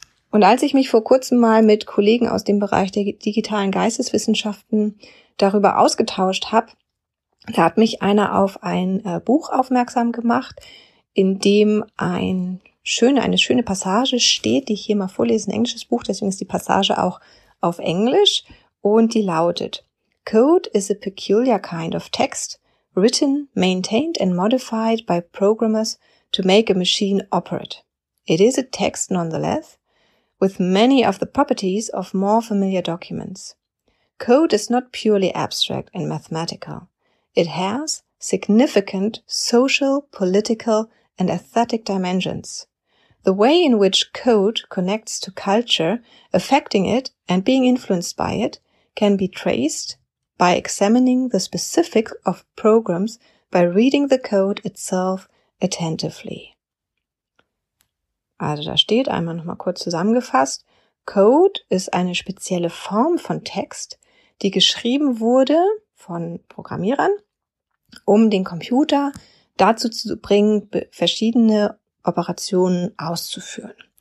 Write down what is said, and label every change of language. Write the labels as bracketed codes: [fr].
[de] Und als ich mich vor kurzem mal mit Kollegen aus dem Bereich der digitalen Geisteswissenschaften darüber ausgetauscht habe, da hat mich einer auf ein Buch aufmerksam gemacht, in dem eine schöne Passage steht, die ich hier mal vorlese, ein englisches Buch, deswegen ist die Passage auch auf Englisch und die lautet: [en] Code is a peculiar kind of text written, maintained and modified by programmers to make a machine operate. It is a text nonetheless, with many of the properties of more familiar documents. Code is not purely abstract and mathematical. It has significant social, political and aesthetic dimensions. The way in which code connects to culture, affecting it and being influenced by it, can be traced by examining the specifics of programs by reading the code itself attentively. [de] Also da steht einmal nochmal kurz zusammengefasst: Code ist eine spezielle Form von Text, die geschrieben wurde von Programmierern, um den Computer dazu zu bringen, verschiedene Operationen auszuführen.